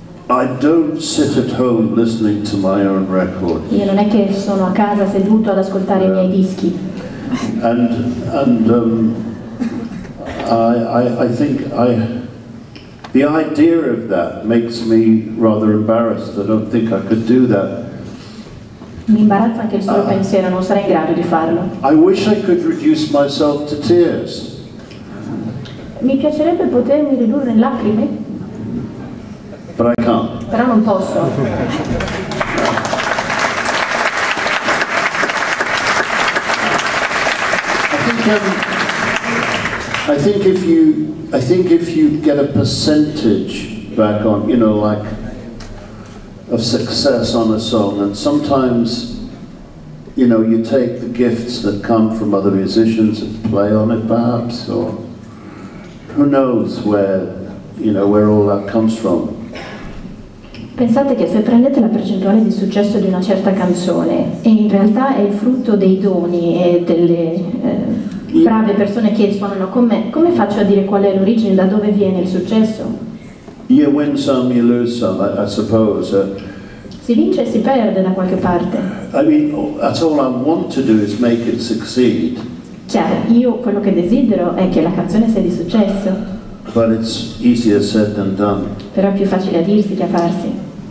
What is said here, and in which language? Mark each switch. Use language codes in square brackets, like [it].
[en] I don't sit at home listening to my own records. [it] Io non è che sono a casa seduto ad ascoltare i miei dischi. [en] I think the idea of that makes me rather embarrassed. I don't think I could do that. [it] Mi imbarazza anche il solo pensiero, non sarei in grado di farlo. [en] I wish I could reduce myself to tears. [it] Mi piacerebbe potermi ridurre in lacrime. [en] But I can't. [it] Però non posso. [en] I think if you get a percentage back on, you know, like of success on a song, and sometimes, you know, you take the gifts that come from other musicians and play on it, perhaps, or who knows where all that comes from. [it] Pensate che se prendete la percentuale di successo di una certa canzone e in realtà è il frutto dei doni e delle brave persone che suonano con me, come faccio a dire qual è l'origine, da dove viene il successo? [en] You win some, you lose some, I suppose. [it] Si vince e si perde da qualche parte. [en] I mean, that's all I want to do is make it succeed. [it] Chiaro, io quello che desidero è che la canzone sia di successo. [en] But it's easier said than done. [it] Però è più facile a dirsi che a farsi.